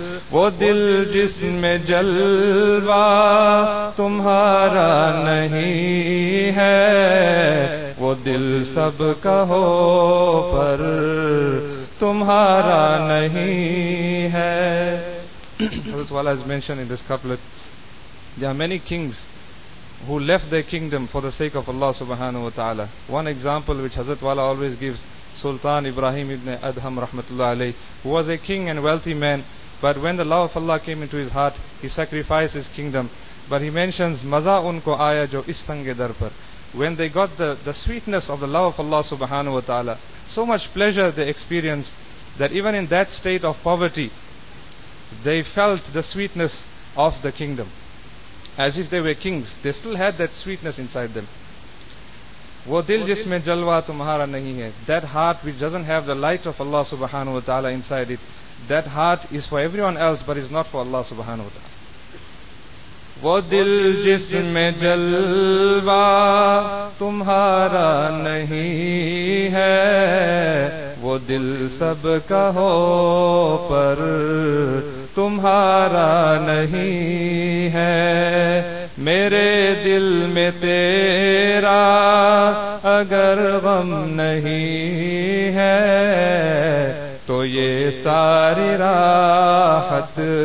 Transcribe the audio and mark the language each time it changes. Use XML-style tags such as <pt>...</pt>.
<ur>وہ دل جس میں جلوہ تمہارا نہیں ہے, وہ دل سب کا ہو پر تمہارا نہیں ہے.</ur> <en>حضرت والا has mentioned in this couplet, there are many kings who left their kingdom for the sake of Allah subhanahu wa ta'ala. One example which Hazrat Wala always gives, Sultan Ibrahim ibn Adham rahmatullah alayhi, who was a king and wealthy man, but when the love of Allah came into his heart, he sacrificed his kingdom. But he mentions</en> <ur>maza unko aaya jo is sange dar par,</ur> <en>when they got the sweetness of the love of Allah subhanahu wa ta'ala, so much pleasure they experienced that even in that state of poverty they felt the sweetness of the kingdom as if they were kings. They still had that sweetness inside them.</en> <ur>Wo dil jis mein jalwa tumhara nahi hai,</ur> <en>that heart which doesn't have the light of Allah subhanahu wa ta'ala inside it, that heart is for everyone else but is not for Allah subhanahu wa ta'ala.</en> <ur>وہ دل جس میں جلوہ تمہارا نہیں ہے، وہ دل سب کا ہو پر تمہارا نہیں ہے، میرے دل میں تیرا اگر غم نہیں ہے تو یہ ساری راحت</ur>